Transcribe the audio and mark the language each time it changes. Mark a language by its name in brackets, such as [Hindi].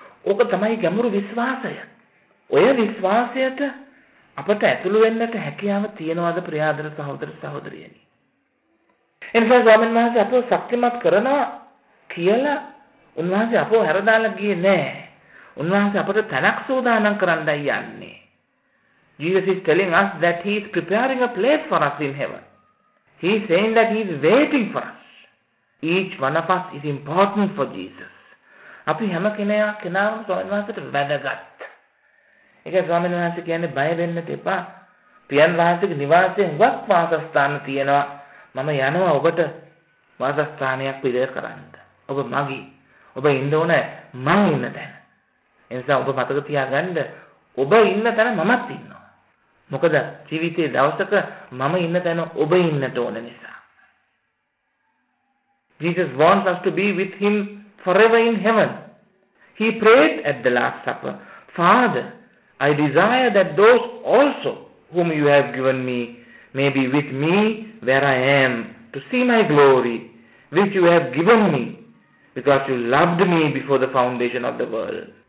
[Sinhala] ඕක තමයි ගැඹුරු විශ්වාසය. ඔය විශ්වාසයට අපට ඇතුළු වෙන්නට හැකියාව තියනවාද ප්‍රියාදර සහෝදර සහෝදරියනි? එනිසා ස්වාමීන් වහන්සේ අපව ශක්තිමත් කරනවා කියලා උන්වහන්සේ අපව හැරදාලා ගියේ නැහැ. උන්වහන්සේ අපට තැනක් සෝදානම් කරන්නයි යන්නේ. [English] Jesus is telling us that he is preparing a place for us in heaven. He is saying that he is waiting for us. Each one of us is important for Jesus. [Sinhala] අපි හැම කෙනා කෙනාම ස්වාමීන් වහන්සේට වැදගත්. ඒක ස්වාමීන් වහන්සේ කියන්නේ බය වෙන්න දෙපා. පියන් වහන්සේගේ නිවාසයේ හුඟක් වාසස්ථාන තියෙනවා. මම යනවා ඔබට වාසස්ථානයක් පිරිය කරන්න. ඔබ මගේ. ඔබ ඉන්න ඕන මම ඉන්න තැන. ඒ නිසා ඔබ මතක තියාගන්න ඔබ ඉන්න තැන මමත් ඉන්නවා. මොකද ජීවිතයේ දවසක මම ඉන්න තැන ඔබ ඉන්නට ඕන නිසා. [English] Jesus wants us to be with him forever in heaven. He prayed at the Last Supper, Father, I desire that those also whom you have given me may be with me where I am to see my glory which you have given me because you loved me before the foundation of the world.